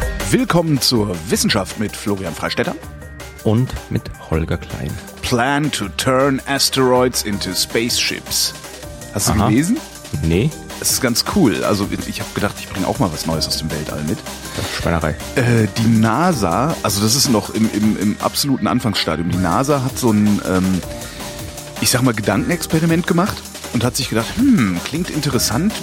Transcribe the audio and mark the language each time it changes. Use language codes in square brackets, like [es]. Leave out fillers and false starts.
[de] Willkommen zur Wissenschaft mit Florian Freistetter. Und mit Holger Klein. [en] Plan to turn asteroids into spaceships. [de] Hast du gelesen? Nee. Das ist ganz cool. Also ich habe gedacht, ich bringe auch mal was Neues aus dem Weltall mit. Das ist Schweinerei. Die NASA, also das ist noch im absoluten Anfangsstadium. Die NASA hat so ein, Gedankenexperiment gemacht und hat sich gedacht, klingt interessant.